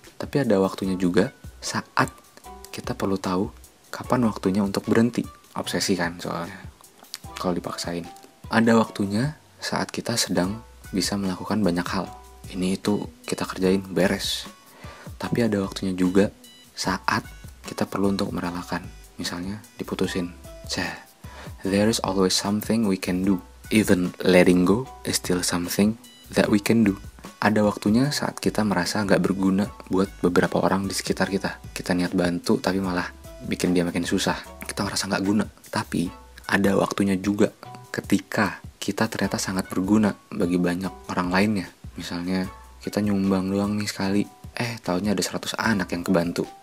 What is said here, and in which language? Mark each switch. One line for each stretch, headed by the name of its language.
Indonesian: Tapi ada waktunya juga saat kita perlu tahu kapan waktunya untuk berhenti. Obsesi kan soalnya, kalau dipaksain. Ada waktunya saat kita sedang bisa melakukan banyak hal. Ini itu kita kerjain, beres. Tapi ada waktunya juga saat kita perlu untuk merelakan. Misalnya diputusin.
English: There is always something we can do. Even letting go is still something that we can do.
Indonesian: Ada waktunya saat kita merasa gak berguna buat beberapa orang di sekitar kita. Kita niat bantu tapi malah bikin dia makin susah. Kita merasa gak guna. Tapi ada waktunya juga ketika kita ternyata sangat berguna bagi banyak orang lainnya. Misalnya kita nyumbang doang nih sekali, tahunya ada 100 anak yang kebantu.